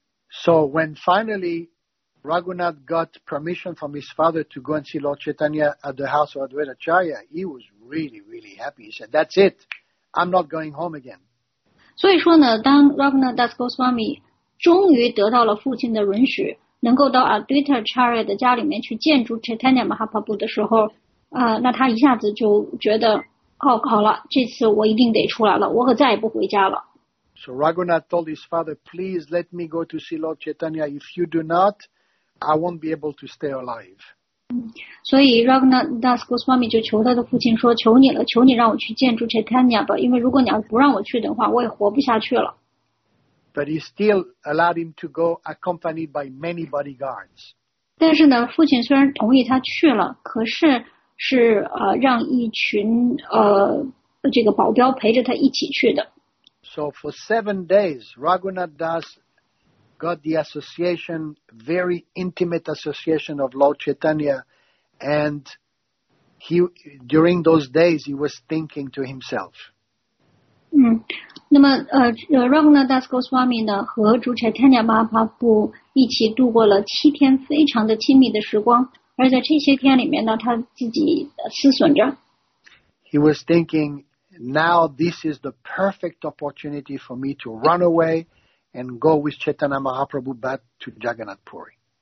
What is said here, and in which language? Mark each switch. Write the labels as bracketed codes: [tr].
[en] So when finally Raghunath got permission from his father to go and see Lord Chaitanya at the house of Advaita Acharya, he was really, really happy. He said, that's it. I'm not going home again. [zh] 所以说呢,当 Raghunath Das Goswami 终于得到了父亲的允许, 能够到 Advaita Acharya的家里面去见主 Chaitanya Mahaprabhu的时候, 那他一下子就觉得 哦，好了，这次我一定得出来了，我可再也不回家了。So [en] Raghunath told his father, please let me go to see Lord Chaitanya. If you do not, I won't be able to stay alive. [zh] 所以 Raghunath Das Goswami 就求他的父亲说，求你了，求你让我去见主 Chaitanya 吧，因为如果你要不让我去的话，我也活不下去了。But [en] he still allowed him to go accompanied by many bodyguards. [zh] 但是呢，父亲虽然同意他去了，可是 是让一群这个保镖陪着他一起去的。So [en] for 7 days, Raghunath Das got the association, very intimate association of Lord Chaitanya, and he during those days he was thinking to himself. [zh] 那么 Raghunath Das Goswami 呢和主 Chaitanya Mahaprabhu 一起度过了7天非常的亲密的时光。而在这些天里面呢，他自己思忖着。He [en] was thinking, now this is the perfect opportunity for me to run away and go with Chaitanya Mahaprabhu back to Jagannath Puri.